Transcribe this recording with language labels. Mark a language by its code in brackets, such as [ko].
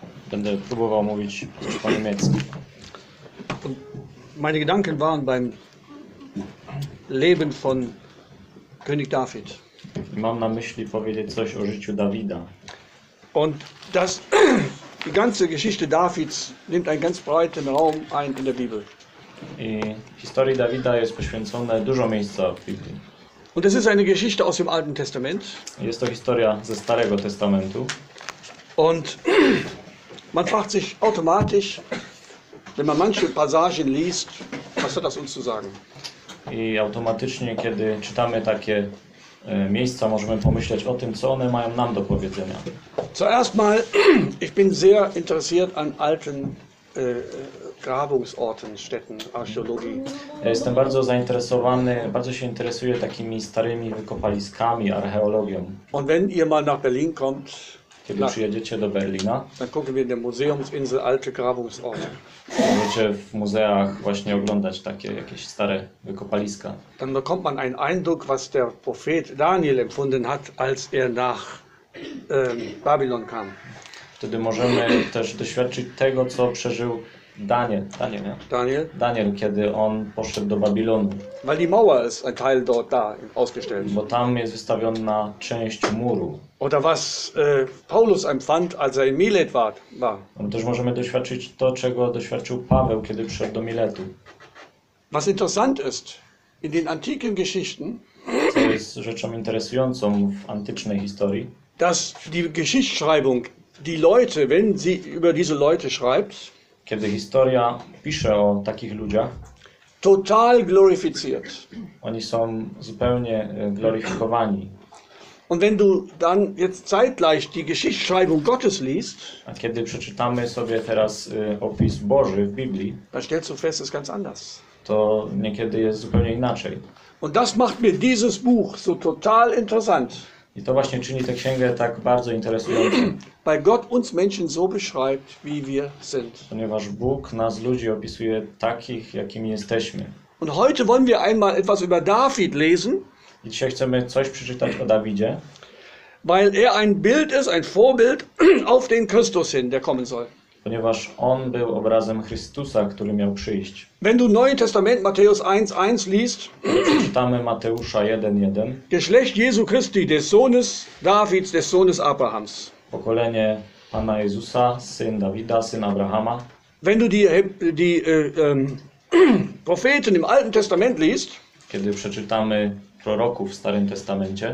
[pl] Będę próbował mówić po niemiecku. [de] Und meine Gedanken waren beim Leben von König David. [pl] Mam na myśli powiedzieć coś o życiu Dawida. [de] Und das die ganze Geschichte Davids nimmt einen ganz breiten Raum ein in der Bibel. [pl] I historii Dawida jest poświęcone dużo miejsca w Biblii. [de] Und es ist eine Geschichte aus dem Alten Testament. [pl] Jest to historia ze Starego Testamentu. [de] Und man fragt sich automatisch, wenn man manche Passagen liest, was hat das uns zu sagen? [pl] I automatycznie, kiedy czytamy takie miejsca, możemy pomyśleć o tym, co one mają nam do powiedzenia. [de] Zuerst mal, ich bin sehr interessiert an alten Grabungsorten, Städten, Archäologie. [pl] Ja jestem bardzo zainteresowany, bardzo się interesuję takimi starymi wykopaliskami, archeologią. [de] Und wenn ihr mal nach Berlin kommt, [pl] kiedy przyjedziecie do Berlina, [de] dann gucken wir in der Museumsinsel alte Grabungsorte. [pl] Możecie w muzeach właśnie oglądać takie jakieś stare wykopaliska. [de] Dann bekommt man einen Eindruck, was der Prophet Daniel empfunden hat, als er nach Babylon kam. [pl] Wtedy możemy też doświadczyć tego, co przeżył Daniel, kiedy on poszedł do Babilonu. [de] Weil die Mauer ist ein Teil dort da ausgestellt. [pl] Bo tam jest wystawiona część muru. [de] Oder was Paulus empfand, als er in Milet war. [pl] My też możemy doświadczyć to, czego doświadczył Paweł, kiedy przyszedł do Miletu. [de] Was interessant ist, in den antiken Geschichten, [pl] co jest rzeczą interesującą w antycznej historii, [de] dass die Geschichtsschreibung die Leute, wenn sie über diese Leute schreibt, [pl] kiedy historia pisze o takich ludziach, [de] total glorifiziert. [pl] Oni są zupełnie gloryfikowani. [de] Und wenn du dann jetzt zeitgleich die Geschichtsschreibung Gottes liest, [pl] a kiedy przeczytamy sobie teraz opis Boży w Biblii, [de] dann stellst du fest, es ist ganz anders. [pl] To niekiedy jest zupełnie inaczej. [de] Und das macht mir dieses Buch so total interessant. [pl] I to właśnie czyni tę księgę tak bardzo interesującą. [de] Weil Gott uns Menschen so beschreibt, wie wir sind. [pl] Ponieważ Bóg nas ludzi opisuje takich, jakimi jesteśmy. [de] Und heute wollen wir einmal etwas über David lesen. [pl] I dzisiaj chcemy coś przeczytać o Dawidzie. [de] Weil ein Bild ist, ein Vorbild auf den Christus hin, der kommen soll. [pl] Ponieważ on był obrazem Chrystusa, który miał przyjść. [de] Wenn du Neuen Testament Matthäus 1:1 liest, [pl] czytamy Mateusza 1:1. [de] Geschlecht Jesu Christi, des Sohnes Davids, des Sohnes Abrahams. [pl] Pokolenie Pana Jezusa, syn Dawida, syn Abrahama. [de] Wenn du die Propheten im Alten Testament liest, [pl] kiedy przeczytamy proroków w Starym Testamencie,